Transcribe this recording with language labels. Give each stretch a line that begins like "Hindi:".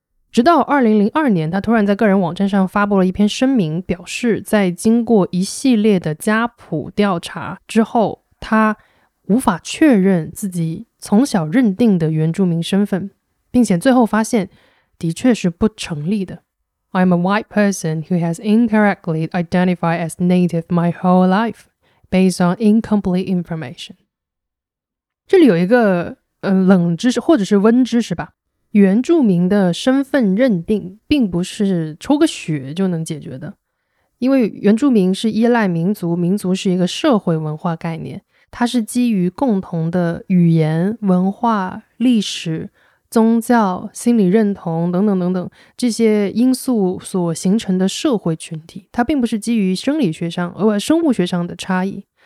Chinese: 直到2002年，他突然在个人网站上发布了一篇声明，表示在经过一系列的家谱调查之后，他无法确认自己从小认定的原住民身份，并且最后发现的确是不成立的。
English: I'm a white person who has incorrectly identified as native my whole life, based on incomplete information.
Chinese: 这里有一个冷知识或者是温知识吧。原住民的身份认定并不是抽个血就能解决的。因为原住民是依赖民族，民族是一个社会文化概念，它是基于共同的语言、文化、历史、宗教、心理认同等等等等这些因素所形成的社会群体，它并不是基于生理学上生物学上的差异。